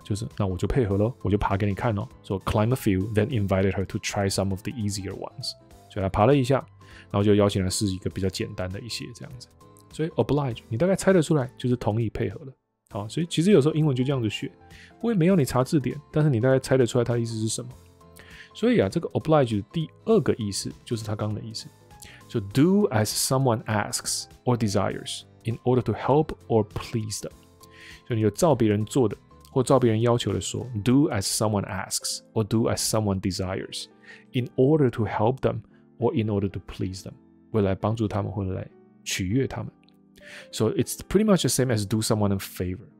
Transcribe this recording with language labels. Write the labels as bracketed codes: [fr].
[zh] 就是那我就配合了，我就爬给你看哦。 [en] So climb a few, then invited her to try some of the easier ones. [zh] 所以她爬了一下，然后就邀请她试一个比较简单的一些这样子。所以 oblige 你大概猜得出来，就是同意配合了。好，所以其实有时候英文就这样子学，我也没有你查字典，但是你大概猜得出来它的意思是什么。所以啊，这个 oblige 的第二个意思就是它刚的意思，就 [en] do as someone asks or desires. In order to help or please them. [zh] 所以你就照别人做的或照别人要求的说 [en] Do as someone asks or do as someone desires. In order to help them or in order to please them. [zh] 为了帮助他们或者来取悦他们。 [en] So it's pretty much the same as do someone a favor.